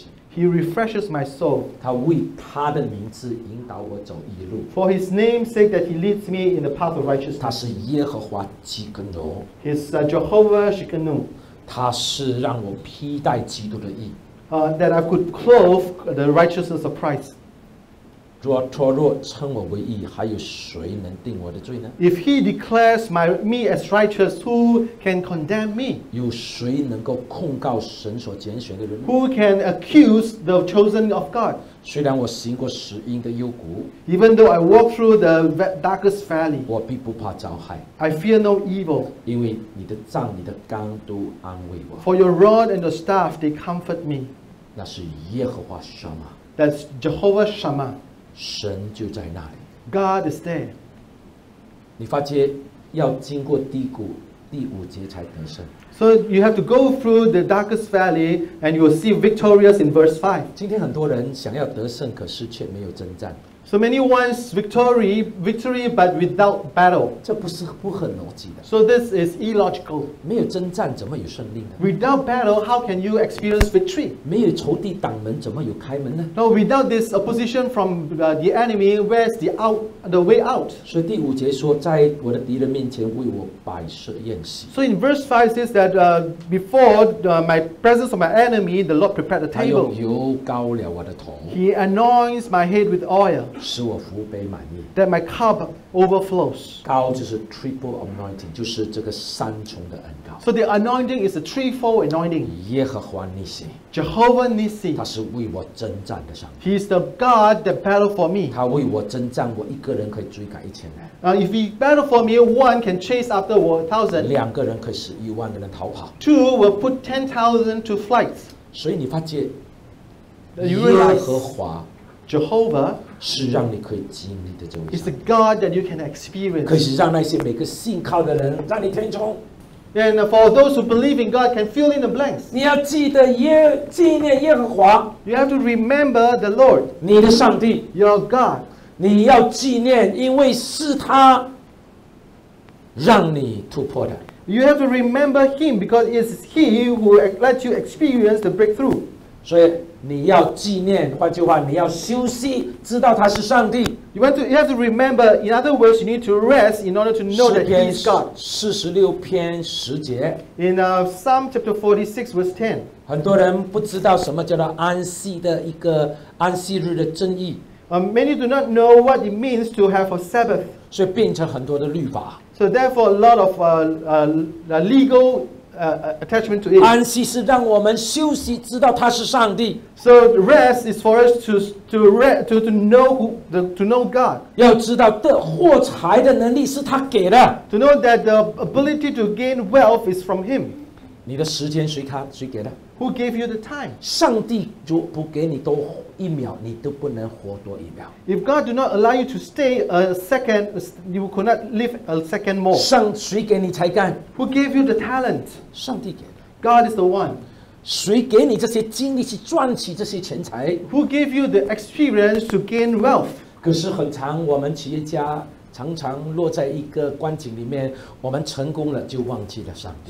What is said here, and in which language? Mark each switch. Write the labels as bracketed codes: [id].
[en] He refreshes my soul. For His name's sake, that He leads me in the path of righteousness. He is Jehovah Shikanu. That I could clothe the righteousness of Christ. [zh] 主啊，他若称我为义，还有谁能定我的罪呢？ [en] If he declares me as righteous, who can condemn me? [zh] 有谁能够控告神所拣选的人？ [en] Who can accuse the chosen of God? [zh] 虽然我行过死荫的幽谷， [en] Even though I walk through the darkest valley, [zh] 我必不怕遭害。 [en] I fear no evil, [zh] 因为你的杖、你的竿都安慰我。 [en] For your rod and the staff, they comfort me. [zh] 那是耶和华撒玛。 [en] That's Jehovah Shammah. [zh] 神就在那里。 [en] God is there. [zh] 你发觉要经过低谷，第五节才得胜。 [en] So you have to go through the darkest valley, and you will see victorious in verse 5. [zh] 今天很多人想要得胜，可是却没有征战。 [en] So many wants victory, but without battle. [zh] 这不是不合逻辑的。 [en] So this is illogical. [zh] 没有征战，怎么有胜利呢？ [en] Without battle, how can you experience victory? [zh] 没有仇敌挡门，怎么有开门呢？ [en] No, without this opposition from the enemy, where's the way out? [zh] 所以第五节说，在我的敌人面前为我摆设宴席。 [en] So in verse 5 says that before my presence of my enemy, the Lord prepared the table. [zh] 他用油膏了我的头。 [en] He anoints my head with oil. [zh] 使我福杯满溢。 [en] That my cup overflows. [zh] 膏就是 [en] triple anointing， [zh] 就是这个三重的恩膏。 [en] So the anointing is a threefold anointing. [zh] 耶和华尼西。 [en] Jehovah Nissi. [zh] 他是为我征战的上帝。 [en] He is the God that battled for me. [zh] 他为我征战，我一个人可以追赶一千人。 [en] If he battled for me, one can chase after 1,000. [zh] 两个人可以使一万个人逃跑。 [en] Two will put 10,000 to flight. [zh] 所以你发觉，耶和华。 [en] Jehovah [zh] 是让你可以经历的这位。 [en] It's the God that you can experience. [zh] 可是让那些每个信靠的人，让你填充。 [en] And for those who believe in God, can fill in the blanks. [zh] 你要记得纪念耶和华。 [en] You have to remember the Lord. [zh] 你的上帝。 [en] Your God. [zh] 你要纪念，因为是他让你突破的。 [en] You have to remember Him because it's He who let you experience the breakthrough. [zh] 所以。你要纪念，换句话，你要休息，知道他是上帝。 [en] You have to remember. In other words, you need to rest in order to know that he is God. [zh] 四十六篇十节。 [en] In Psalm chapter 46 verse 10. [zh] 很多人不知道什么叫做安息的一个安息日的真意。 [en] Many do not know what it means to have a Sabbath. [zh] 所以变成很多的律法。 [en] So therefore, a lot of legal. Attachment to it. [zh] 安息是让我们休息，知道他是上帝。 [en] So rest is for us to know to know God. [zh] 要知道的获财的能力是他给的。 [en] To know that the ability to gain wealth is from Him. [zh] 你的时间谁给的？ [en] Who gave you the time? [zh] 上帝就不给你多一秒，你都不能活多一秒。 [en] If God do not allow you to stay a second, you could not live a second more. [zh] 上谁给你才干？ [en] Who gave you the talent? [zh] 上帝给的。 [en] God is the one. [zh] 谁给你这些精力去赚取这些钱财？ [en] Who gave you the experience to gain wealth? [zh] 可是很常我们企业家常常落在一个关景里面，我们成功了就忘记了上帝。